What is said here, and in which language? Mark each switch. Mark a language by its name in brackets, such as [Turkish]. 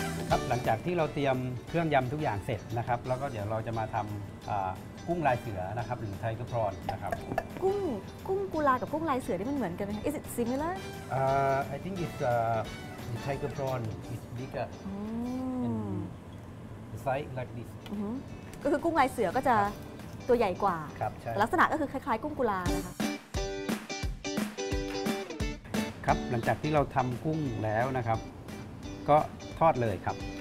[Thai] ครับหลังจากที่เราเตรียมเครื่องยำทุกอย่างเสร็จนะครับแล้วก็เดี๋ยวเราจะมาทำกุ้งลายเสือนะครับหรือไทกระพรอนนะครับ กุ้งกุลากับกุ้งลายเสือนี่มันเหมือนกันไหม [English] Is it similar I think it's the tiger prawn is bigger and size like this [Thai] ก็คือกุ้งลายเสือก็จะตัวใหญ่กว่า ครับ ลักษณะก็คือคล้ายๆกุ้งกุลานะคะ ครับหลังจากที่เราทำกุ้งแล้วนะครับก็ทอดเลยครับ